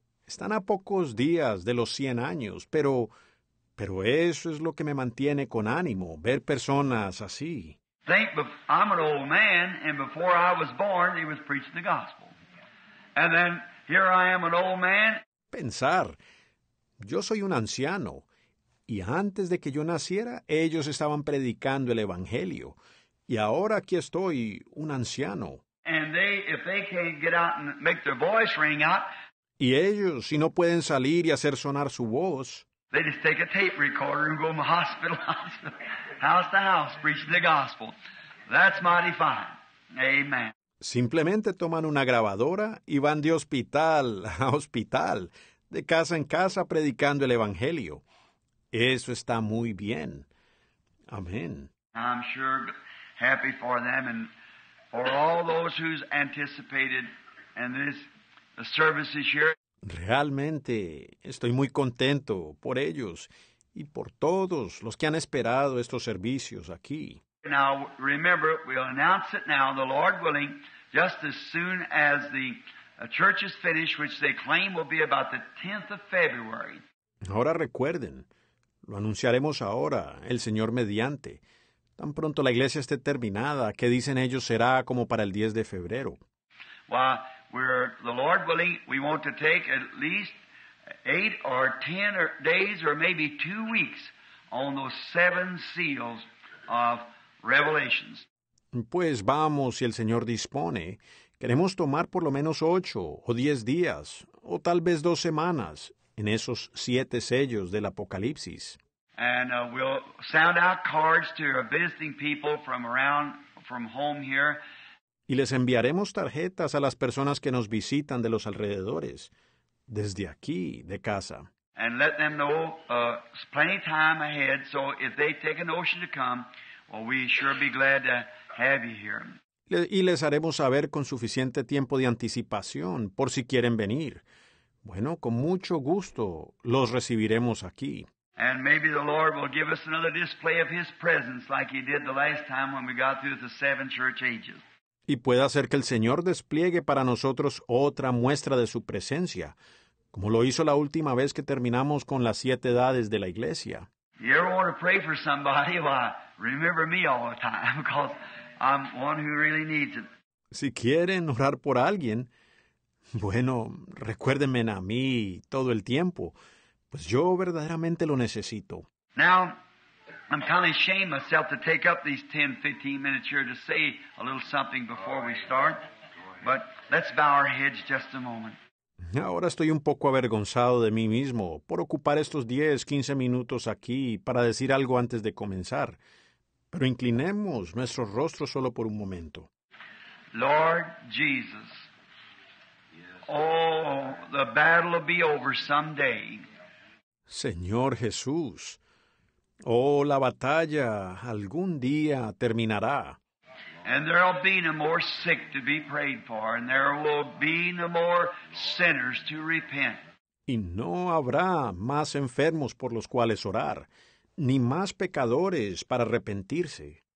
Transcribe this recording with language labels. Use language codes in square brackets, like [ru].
[es] Están a pocos días de los 100 años, pero eso es lo que me mantiene con ánimo, ver personas así. [en] Think, I'm an old man, and before I was born, he was preaching the gospel. And then, here I am an old man. [es] Pensar, yo soy un anciano, y antes de que yo naciera, ellos estaban predicando el evangelio. Y ahora aquí estoy, un anciano. [en] And they, if they can't get out and make their voice ring out, [es] y ellos, si no pueden salir y hacer sonar su voz, [en] they just take a tape recorder and go from hospital to hospital, house to house, preaching the gospel. That's mighty fine. Amen. [es] Simplemente toman una grabadora y van de hospital a hospital, de casa en casa, predicando el evangelio. Eso está muy bien. Amén. [en] I'm sure happy for them and for all those who's anticipated and this the service is here. [es] Realmente estoy muy contento por ellos y por todos los que han esperado estos servicios aquí. [en] Now remember, we'll announce it now, the Lord willing, just as soon as the church is finished, which they claim will be about the 10th of February. [es] Ahora recuerden, lo anunciaremos ahora, el Señor mediante. Tan pronto la iglesia esté terminada, que dicen ellos será como para el 10 de febrero. [en] Well, we're, the Lord willing, we want to take at least 8 or 10 days or maybe 2 weeks on those 7 seals of Revelations. [es] Pues vamos, si el Señor dispone, queremos tomar por lo menos 8 o 10 días, o tal vez 2 semanas, en esos 7 sellos del Apocalipsis. [en] And we'll send out cards to our visiting people from around, from home here. [es] Y les enviaremos tarjetas a las personas que nos visitan de los alrededores, desde aquí, de casa. [en] And let them know plenty of time ahead, so if they take a notion to come, well, we sure be glad to have you here. [es] Y les haremos saber con suficiente tiempo de anticipación, por si quieren venir. Bueno, con mucho gusto los recibiremos aquí. [en] And maybe the Lord will give us another display of His presence like He did the last time when we got through the 7 church ages. [es] Y pueda hacer que el Señor despliegue para nosotros otra muestra de su presencia, como lo hizo la última vez que terminamos con las 7 edades de la iglesia. [en] You ever want to pray for somebody? Well, remember me all the time, because I'm one who really needs it. [es] Si quieren orar por alguien, bueno, recuérdenme a mí todo el tiempo, pues yo verdaderamente lo necesito. [en] Now, I'm kind of ashamed myself to take up these 10, 15 minutes here to say a little something before we start. But let's bow our heads just a moment. [es] Ahora estoy un poco avergonzado de mí mismo por ocupar estos 10, 15 minutos aquí para decir algo antes de comenzar. Pero inclinemos nuestros rostros solo por un momento. [en] Lord Jesus, oh, the battle will be over someday. [es] Señor Jesús, oh, la batalla algún día terminará. [en] And there will be no more sick to be prayed for, and there will be no more sinners to repent. [es] Y no habrá más enfermos por los cuales orar, ni más pecadores para arrepentirse.